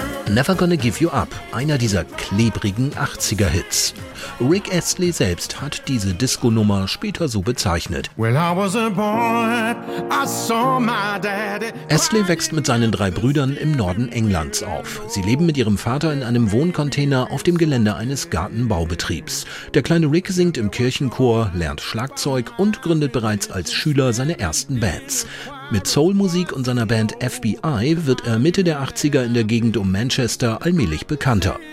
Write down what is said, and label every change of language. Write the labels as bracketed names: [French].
[German] Never Gonna Give You Up, einer dieser klebrigen 80er-Hits. Rick Astley selbst hat diese Disco-Nummer später so bezeichnet. [English] Well, I was a boy, I saw my daddy. [German] Astley wächst mit seinen drei Brüdern im Norden Englands auf. Sie leben mit ihrem Vater in einem Wohncontainer auf dem Gelände eines Gartenbaubetriebs. Der kleine Rick singt im Kirchenchor, lernt Schlagzeug und gründet bereits als Schüler seine ersten Bands. Mit Soul-Musik und seiner Band FBI wird er Mitte der 80er in der Gegend um Manchester allmählich bekannter.